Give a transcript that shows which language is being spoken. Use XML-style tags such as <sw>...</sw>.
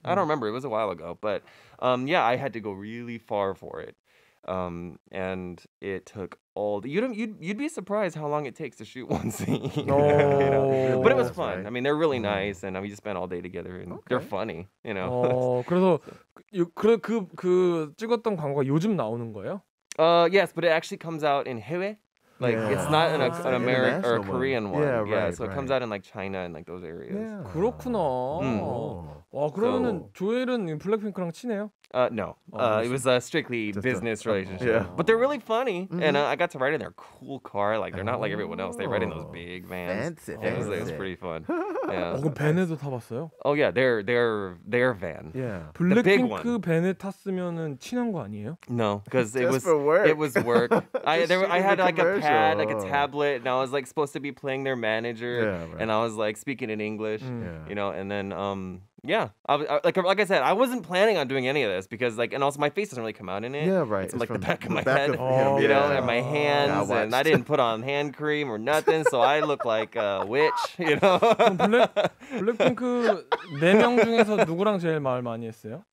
<en>I don't remember. It was a while ago, but yeah, I had to go really far for it. And it took all the, you'd be surprised how long it takes to shoot one scene. But it was fun. Right. I mean, they're really nice and we just spent all day together and they're funny, you know.</en> <ko>그래서 그 찍었던 광고가 요즘 나오는 거예요?</ko> <en>Yes, but it actually comes out in 해외. Like it's not in an American or a Korean one. Yeah, right, yeah so it right. comes out in like China and like those areas. Yeah.</en> <ko>그렇구나. 와, 그러면은 조엘은 블랙핑크랑 친해요?</ko> <en>No. It was a strictly business relationship. Yeah. But they're really funny. Mm-hmm. And I got to ride in their cool car. Like, they're not like everyone else. They ride in those big vans. Fancy. It was pretty fun. Yeah.</en> <ko>그 벤에도 타봤어요?</ko> <en>Oh, yeah. Their van. Yeah.</en> <ko>블랙핑크 벤에 탔으면 친한 거 아니에요?</ko> <en>No. Because it was work. I had like a tablet. And I was like supposed to be playing their manager. Yeah, right. And I was like speaking in English. Yeah. You know, and then... I wasn't planning on doing any of this because, like, and also my face doesn't really come out in it. Yeah, right. It's like the back of my head, you know, and my hands, and I didn't put on hand cream or nothing, so I look like a witch, you know?</en> <ko>블랙핑크 네 명 중에서 누구랑 제일 말 많이 했어요?</ko>